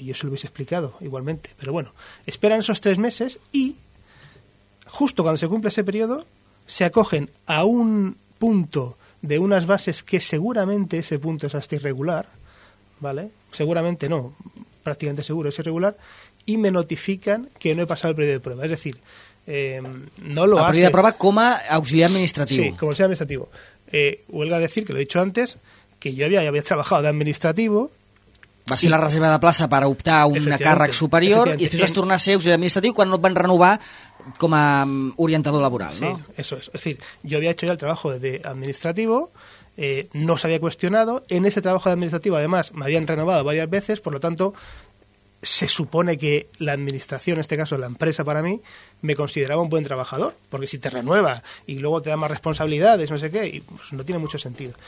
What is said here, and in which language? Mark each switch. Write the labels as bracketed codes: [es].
[es] Y yo se lo hubiese explicado igualmente. Pero bueno, esperan esos 3 meses y justo cuando se cumple ese periodo, se acogen a un punto de unas bases que seguramente ese punto es hasta irregular, ¿vale? Seguramente no, prácticamente seguro es irregular, y me notifican que no he pasado el periodo de prueba. Es decir, no lo a hace... A periodo de prueba, coma, auxiliar administrativo. Sí, como auxiliar administrativo. Huelga decir, que lo he dicho antes, que yo había trabajado de administrativo... [ca] Va ser la reserva de plaça per optar a un càrrec superior i després vas tornar a ser auxiliar administratiu quan no et van renovar com a orientador laboral, sí, no? [es] Sí, eso es. Es decir, yo había hecho ya el trabajo de administrativo, no se había cuestionado. En ese trabajo de administrativo, además, me habían renovado varias veces, por lo tanto, se supone que la administración, en este caso la empresa para mí, me consideraba un buen trabajador. Porque si te renueva y luego te da más responsabilidades, no sé qué, pues no tiene mucho sentido.